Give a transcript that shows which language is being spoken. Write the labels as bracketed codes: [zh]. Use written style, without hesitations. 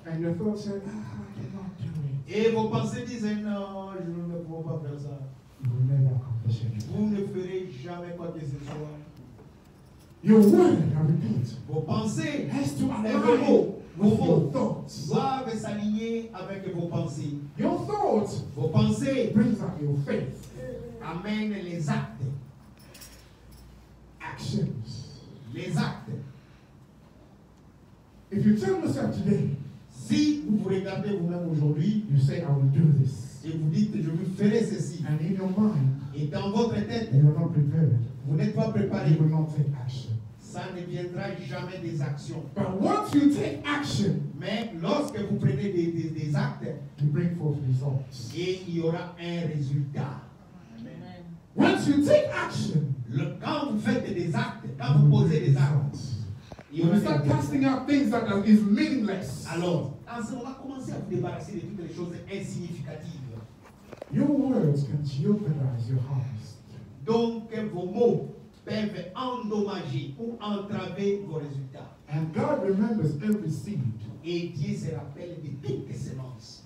[en] and your thoughts say, ah, I cannot do it, [fr] et vos pensées disent, non, je ne peux pas faire ça, [en] you will never accomplish it. [fr] Vous ne ferez jamais quoi que ce soit. [en] Your word, I repeat, [fr] vos pensées [en] has to align with your thoughts. [fr] Doivent s'aligner avec vos pensées. [en] Your thoughts, [fr] vos pensées, [en] brings up your faith. [fr] Amen. Les actes. [en] Actions. [fr] Les actes. [en] If you tell yourself today, [fr] si vous vous regardez vous-même aujourd'hui, [en] you say, I will do this. [fr] Et vous dites, je vous ferai ceci. [en] And in your mind, [fr] et dans votre tête, [en] you are not prepared. [fr] Vous n'êtes pas préparé. [en] You will not take action. [fr] Ça ne viendra jamais des actions. [en] But once you take action, [fr] mais lorsque vous prenez des actes, [en] you bring forth results. [fr] Et il y aura un résultat. [en] Amen. Once you take action, [fr] le, quand vous faites des actes, quand vous posez des actes, [en] you start casting out things that are is meaningless. [fr] Alors, on va commencer à vous débarrasser de toutes les choses insignificatives. [en] Your words can jeopardize your harvest. [fr] Donc, vos mots peuvent endommager ou entraver vos résultats. [en] And God remembers every seed. [fr] Et Dieu se rappelle de toutes ses semences.